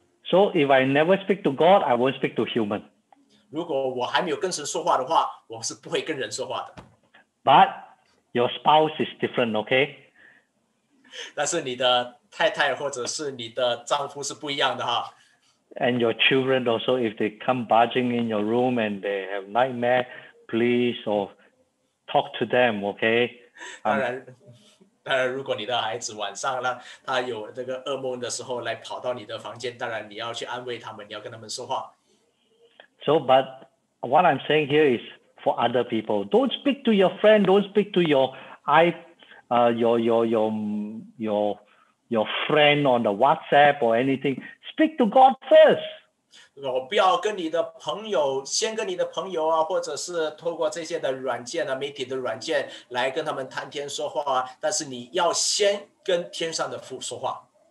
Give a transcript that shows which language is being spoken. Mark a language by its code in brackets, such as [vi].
[en] So if I never speak to God, I won't speak to human. [zh] 如果我还没有跟神说话的话，我是不会跟人说话的。 [en] But your spouse is different, okay? [zh] 但是你的太太或者是你的丈夫是不一样的哈。 [en] And your children also, if they come barging in your room and they have nightmare, please or talk to them, okay? [zh] 当然，如果你的孩子晚上呢，他有这个噩梦的时候来跑到你的房间，当然你要去安慰他们，你要跟他们说话。 [en] So, but what I'm saying here is for other people. Don't speak to your friend. Don't speak to your friend on the WhatsApp or anything. Speak to God first. [zh] 我不要跟你的朋友先跟你的朋友啊，或者是透过这些的软件啊，媒体的软件来跟他们谈天说话啊。但是你要先跟天上的父说话。